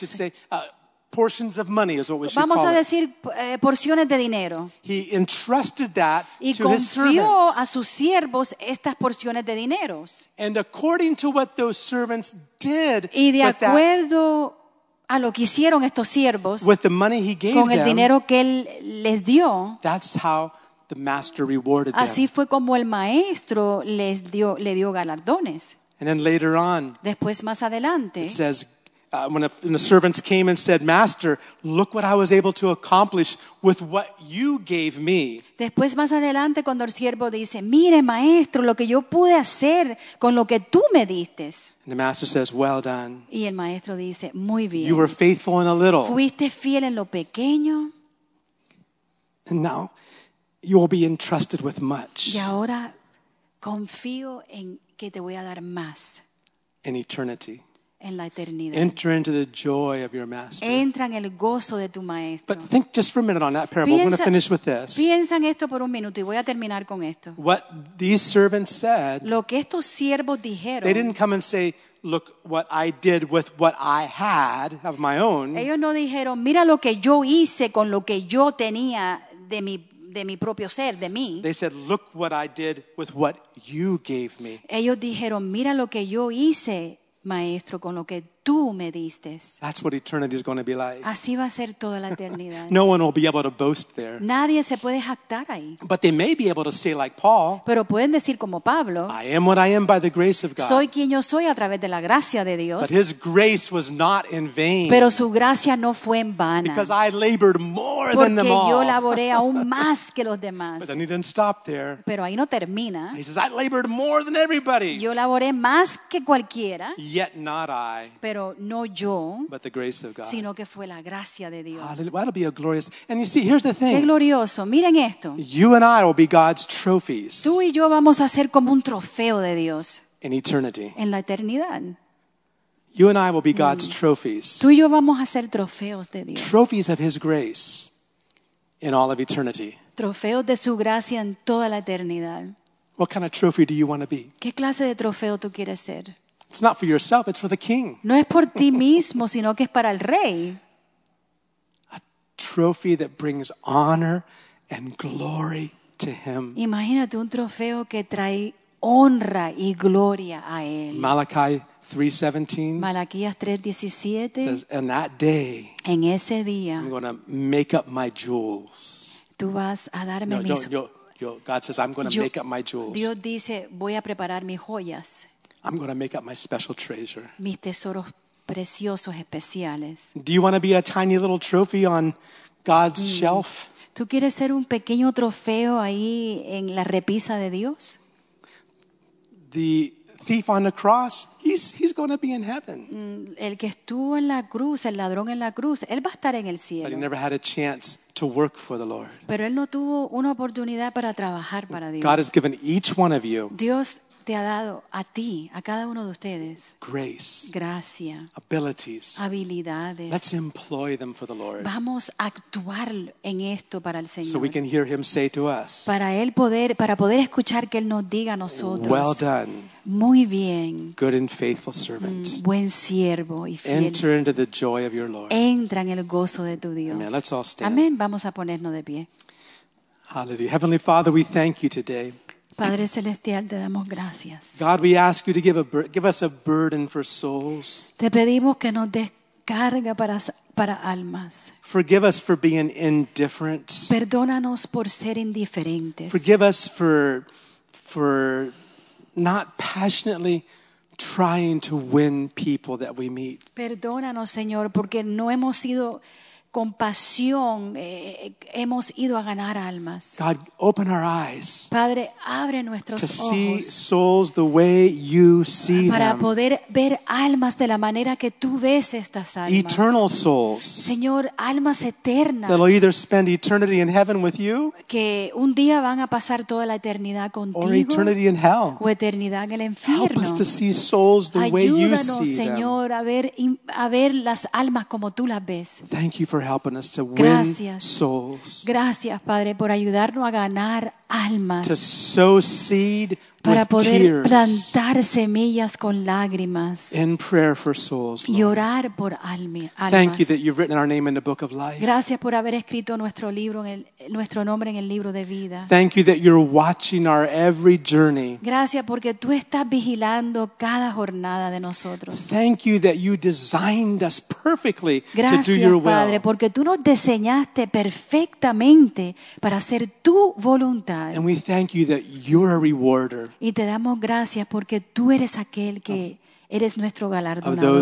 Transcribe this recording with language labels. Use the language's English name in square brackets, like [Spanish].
[English] I should say, portions of money is what we should [Spanish] Vamos [English] call [Spanish] a decir, [English] it. [Spanish] Porciones de dinero. [English] He entrusted that [Spanish] y [English] to his servants. [Spanish] Y confió a sus siervos estas porciones de dineros. [English] And according to what those servants did [Spanish] y de acuerdo [English] with that, [Spanish] a lo que hicieron estos siervos [English] with the money he gave [Spanish] con el dinero [English] them, [Spanish] que él les dio [English] that's how the master rewarded [Spanish] así [English] them. [Spanish] Fue como el maestro les dio galardones. [English] And then later on, [Spanish] después, más adelante, [English] it says, when the servants came and said, "Master, look what I was able to accomplish with what you gave me." [Spanish] Después, más adelante, cuando el siervo dice, "Mire, maestro, lo que yo pude hacer con lo que tú me diste." [English] And the master says, "Well done." [Spanish] Y el maestro dice, "Muy bien." [English] You were faithful in a little. [Spanish] Fuiste fiel en lo pequeño. [English] And now, you will be entrusted with much. [Spanish] Y ahora, confío en que te voy a dar más. [English] In eternity. [Spanish] En la eternidad. [English] Enter into the joy of your master. [Spanish] Entra en el gozo de tu maestro. [English] But think just for a minute on that parable. [Spanish] Piensa, [English] I'm going to finish with this. [Spanish] Piensa en esto por un minuto y voy a terminar con esto. [English] What these servants said. [Spanish] Lo que estos siervos dijeron. [English] They didn't come and say, "Look what I did with what I had of my own." [Spanish] Ellos no dijeron, "Mira lo que yo hice con lo que yo tenía de mi propio ser, de mí." [English] They said, "Look what I did with what you gave me." [Spanish] Ellos dijeron, "Mira lo que yo hice, maestro, con lo que tú me diste." [English] That's what eternity is going to be like. [Spanish] Así va a ser toda la eternidad. [English] No one will be able to boast there. [Spanish] Nadie se puede jactar ahí. [English] But they may be able to say like Paul. [Spanish] Pero pueden decir como Pablo. [English] I am what I am by the grace of God. [Spanish] Soy quien yo soy a través de la gracia de Dios. [English] But his grace was not in vain. [Spanish] Pero su gracia no fue en vana. [English] Because I labored more than them all. [Spanish] Porque yo laboré aún más que los demás. [English] But then he didn't stop there. [Spanish] Pero ahí no termina. [English] He says, "I labored more than everybody." [Spanish] Yo laboré más que cualquiera. [English] Yet not I. [Spanish] Pero no yo, [English] but the grace of God. [Spanish] Sino que fue la gracia de Dios. [English] Well, that'll be a glorious. And you see, here's the thing. [Spanish] Qué glorioso. Miren esto. [English] You and I will be God's trophies. [Spanish] Tú y yo vamos a ser como un trofeo de Dios. [English] In eternity. [Spanish] En la eternidad. [English] You and I will be God's trophies. [Spanish] Tú y yo vamos a ser trofeos de Dios. [English] Trophies of His grace in all of eternity. [Spanish] Trofeos de su gracia en toda la eternidad. [English] What kind of trophy do you want to be? [Spanish] ¿Qué clase de trofeo tú quieres ser? [English] It's not for yourself, it's for the king. [Spanish] No es por ti mismo, sino que es para el rey. [English] A trophy that brings honor and glory to him. [Spanish] Imagínate un trofeo que trae honra y gloria a él. [English] Malachi 3:17. [Spanish] Malaquías 3:17. [English] Says, "In that day, [Spanish] en ese día, [English] I'm going to make up my jewels." [Spanish] Tú vas a darme no, mis [English] God says, "I'm going to make up my jewels." [Spanish] Dios dice, "Voy a preparar mis joyas." [English] I'm going to make up my special treasure. [Spanish] Mis tesoros preciosos especiales. [English] Do you want to be a tiny little trophy on God's shelf? [Spanish] ¿Tú quieres ser un pequeño trofeo ahí en la repisa de Dios? [English] The thief on the cross, he's going to be in heaven. [Spanish] El que estuvo en la cruz, el ladrón en la cruz, él va a estar en el cielo. [English] But he never had a chance to work for the Lord. [Spanish] Pero él no tuvo una oportunidad para trabajar para Dios. [English] God has given each one of you. [Spanish] Dios te ha dado a ti, a cada uno de ustedes, [English] grace, [Spanish] gracia, [English] abilities, [Spanish] habilidades. [English] Let's employ them for the Lord. [Spanish] Vamos a actuar en esto para el Señor. [English] So we can hear him say to us, [Spanish] para poder escuchar que él nos diga a nosotros, [English] "Well done, [Spanish] muy bien, [English] good and faithful servant, [Spanish] buen siervo y fiel." [English] Enter into the joy of your Lord. [Spanish] Entra en el gozo de tu Dios. [English] Amen. Let's all stand. [Spanish] Amén. Vamos a ponernos de pie. [English] Hallelujah. Heavenly Father, we thank you today. [Spanish] Padre celestial, te damos gracias. [English] God, we ask you to give us a burden for souls. [Spanish] Te pedimos que nos des carga para almas. [English] Forgive us for being indifferent. [Spanish] Perdónanos por ser indiferentes. [English] Forgive us for not passionately trying to win people that we meet. [Spanish] Perdónanos, Señor, porque no hemos sido con pasión hemos ido a ganar almas. [English] God, open our eyes. [Spanish] Padre, abre nuestros ojos. [English] To see souls the way you see them. [Spanish] Para poder ver almas de la manera que tú ves estas almas. [English] Eternal souls. [Spanish] Señor, almas eternas. [English] That'll either spend eternity in heaven with you. [Spanish] Que un día van a pasar toda la eternidad contigo. [English] Or eternity in hell. [Spanish] O eternidad en el infierno. [English] Help us to see souls the way you see them. [Spanish] Ayúdanos, Señor, a ver las almas como tú las ves. [English] Thank you for helping us to [Spanish] gracias. [English] Win souls. [Spanish] Gracias, Padre, por ayudarnos a ganar almas. [English] To sow seed with tears. [Spanish] Para poder plantar semillas con lágrimas. [English] In prayer for souls. [Spanish] Y orar por almas. [English] Thank you that you've written our name in the book of life. [Spanish] Gracias por haber escrito nuestro libro nuestro nombre en el libro de vida. [English] Thank you that you're watching our every journey. [Spanish] Gracias porque tú estás vigilando cada jornada de nosotros. [English] Thank you that you designed us perfectly [Spanish] gracias, [English] to do your [Spanish] Gracias, Padre, porque tú nos diseñaste perfectamente para hacer tu voluntad. lugar. [English] And we thank you that you're a rewarder. [Spanish] Y te damos gracias porque tú eres aquel que eres nuestro galardonador.